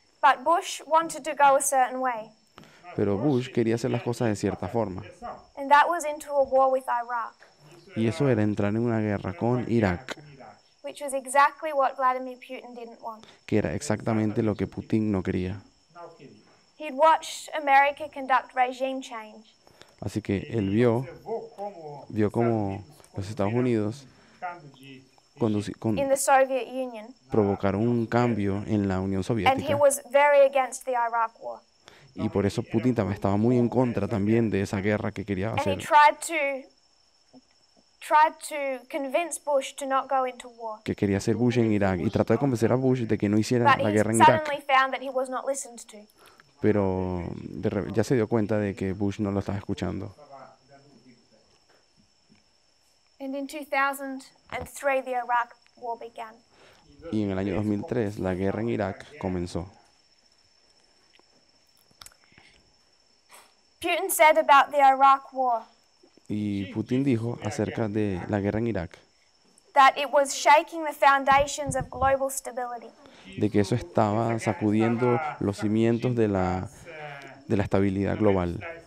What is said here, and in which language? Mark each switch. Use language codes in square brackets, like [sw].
[en] But Bush wanted to go a certain way. [es] Pero Bush quería hacer las cosas de cierta forma. [en] And that was into a war with Iraq. [es] Y eso era entrar en una guerra con Irak. [en] Which was exactly what Vladimir Putin didn't want. [es] Que era exactamente lo que Putin no quería. [en] He'd watched America conduct regime change. [es] Así que él vio cómo los Estados Unidos [en] in the Soviet Union. [es] Provocaron un cambio en la Unión Soviética. [en] And he was very against the Iraq war. [es] Y por eso Putin estaba muy en contra también de esa guerra que quería hacer. [en] And he tried to convince Bush to not go into war. [es] Que quería hacer Bush en Irak y trató de convencer a Bush de que no hiciera [en] But [es] la guerra en Irak. [en] Suddenly found that he was not listened to. [es] Pero ya se dio cuenta de que Bush no lo estaba escuchando. [en] And in 2003 the Iraq war began. [es] Y en el año 2003 la guerra en Irak comenzó. [en] Putin said about the Iraq war. [es] Y Putin dijo acerca de la guerra en Irak. [en] That it was shaking the foundations of global stability. [es] De que eso estaba sacudiendo los cimientos de la estabilidad global.